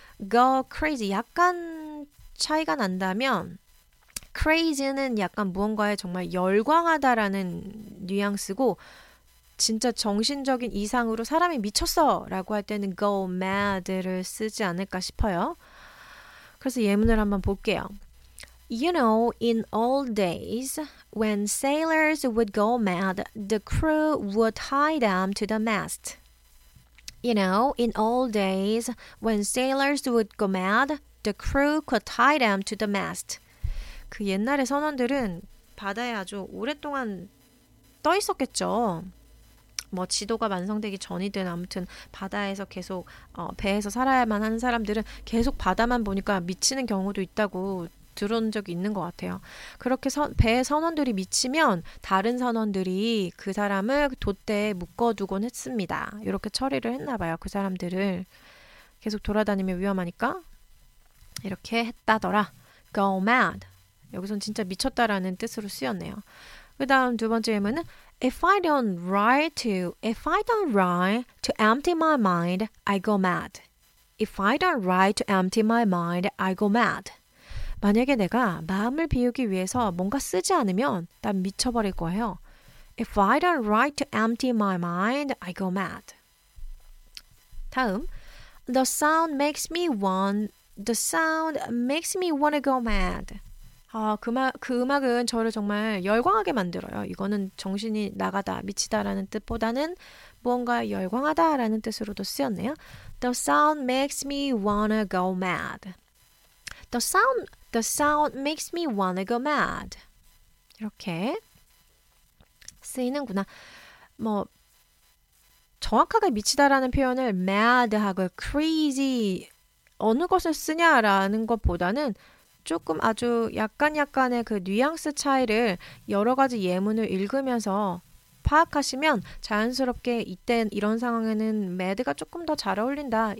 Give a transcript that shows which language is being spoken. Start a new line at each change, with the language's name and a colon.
Korean: go crazy, 약간 차이가 난다면 crazy는 약간 무언가에 정말 열광하다라는 뉘앙스고 진짜 정신적인 이상으로 사람이 미쳤어 라고 할 때는 go mad를 쓰지 않을까 싶어요. 그래서 예문을 한번 볼게요.
English: You know, in old days, when sailors would go mad, the crew would tie them to the mast. You know, in old days, when sailors would go mad, the crew could tie them to the mast.
Korean: 그 옛날의 선원들은 바다에 아주 오랫동안 떠 있었겠죠. 뭐 지도가 완성되기 전이든 아무튼 바다에서 계속 배에서 살아야만 하는 사람들은 계속 바다만 보니까 미치는 경우도 있다고 들은 적이 있는 것 같아요. 그렇게 배의 선원들이 미치면 다른 선원들이 그 사람을 돛대에 묶어두곤 했습니다. 이렇게 처리를 했나 봐요. 그 사람들을 계속 돌아다니면 위험하니까 이렇게 했다더라.
English: Go mad.
Korean: 여기선 진짜 미쳤다라는 뜻으로 쓰였네요. 그 다음 두 번째 예문은
English: If I don't write to empty my mind, I go mad. If I don't write to empty my mind, I go mad.
Korean: 만약에 내가 마음을 비우기 위해서 뭔가 쓰지 않으면 난 미쳐버릴 거예요.
English: If I don't write to empty my mind, I go mad.
Korean: 다음,
English: The sound makes me want to go mad.
Korean: 그 음악은 저를 정말 열광하게 만들어요. 이거는 정신이 나가다, 미치다라는 뜻보다는 뭔가 열광하다라는 뜻으로도 쓰였네요.
English: The sound makes me want to go mad. The sound makes me want to go mad.
Korean: 이렇게 쓰이는구나. 뭐 정확하게 미치다라는 표현을 mad하고 crazy 어느 것을 쓰냐라는 것보다는 조금 아주 약간의 그 뉘앙스 차이를 여러 가지 예문을 읽으면서 파악하시면 자연스럽게 이때 이런 상황에는 mad가 조금 더 잘 어울린다.